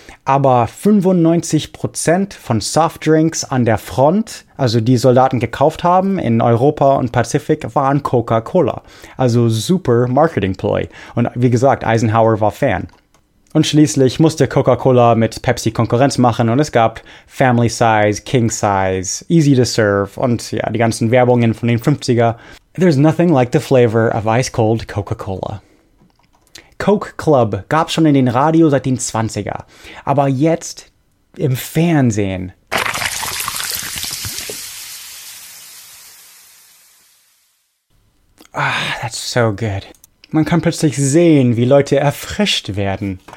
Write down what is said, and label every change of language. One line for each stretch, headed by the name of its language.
German: Aber 95% von Softdrinks an der Front, also die Soldaten gekauft haben in Europa und Pazifik, waren Coca-Cola. Also super Marketing-Ploy. Und wie gesagt, Eisenhower war Fan. Und schließlich musste Coca-Cola mit Pepsi Konkurrenz machen und es gab Family Size, King Size, Easy to Serve und ja, die ganzen Werbungen von den 50er.
English: There's nothing like the flavor of ice-cold Coca-Cola.
German: Coke Club gab schon in den Radio seit den 20er, aber jetzt im Fernsehen.
English: Ah, that's so good.
German: Man kann plötzlich sehen, wie Leute erfrischt werden.